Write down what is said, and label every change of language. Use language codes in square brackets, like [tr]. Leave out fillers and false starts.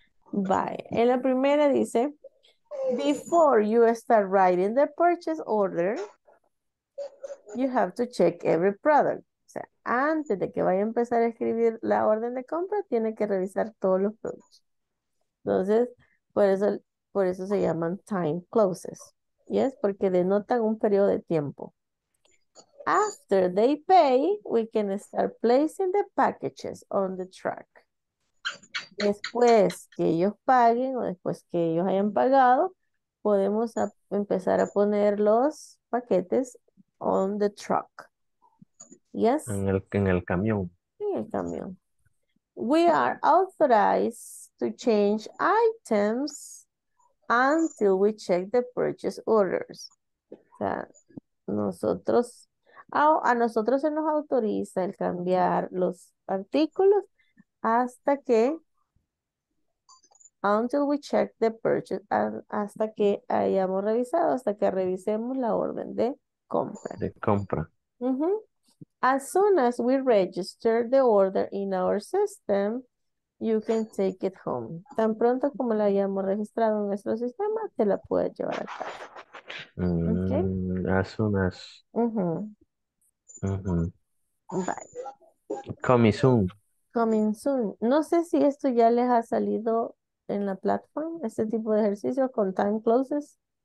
[en] Bye. [es] En la primera dice, [en] before you start writing the purchase order, you have to check every product. [es] O sea, antes de que vaya a empezar a escribir la orden de compra, tiene que revisar todos los productos. Entonces, por eso se llaman time clauses. Y es porque denotan un periodo de tiempo. [en] After they pay, we can start placing the packages on the truck. [es] Después que ellos paguen o después que ellos hayan pagado, podemos empezar a poner los paquetes [en] on the truck. Yes? [es] En el camión. En el camión. [en] We are authorized to change items until we check the purchase orders. [es] O sea, a nosotros se nos autoriza el cambiar los artículos hasta que [en] until we check the purchase, [es] hasta que hayamos revisado, hasta que revisemos la orden de compra. De compra. Mm-hmm. [en] As soon as we register the order in our system, you can take it home. [es] Tan pronto como la hayamos registrado en nuestro sistema, te la puedes llevar a casa. [en] Mm-hmm. Okay? As soon as. Mm-hmm. Mm-hmm. Bye. Coming soon. Coming soon. [es] No sé si esto ya les ha salido en la plataforma, este tipo de ejercicios con time closes.